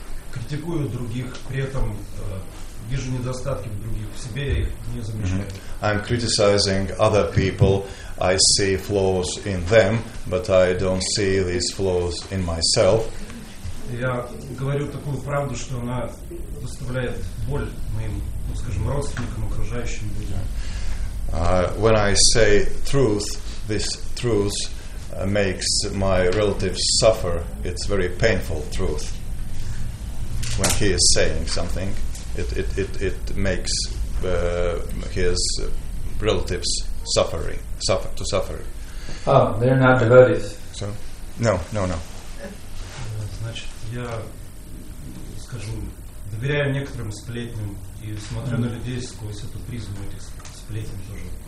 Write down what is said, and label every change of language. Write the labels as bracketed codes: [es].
[ru] Критикую других, при этом вижу недостатки в других, в себе я их не замечаю. [en] Mm-hmm. I'm criticizing other people. I see flaws in them, but I don't see these flaws in myself. [ru] Я говорю такую правду, что она доставляет боль моим, ну, скажем, родственникам, окружающим людям. [en] When I say truth, this truth makes my relatives suffer. It's very painful truth. When he is saying something, it makes his relatives suffer. Oh, they're not devotees. So, no. [ru] Значит, я, скажу, доверяю некоторым сплетням и смотрю на людей сквозь эту призму этих сплетен тоже.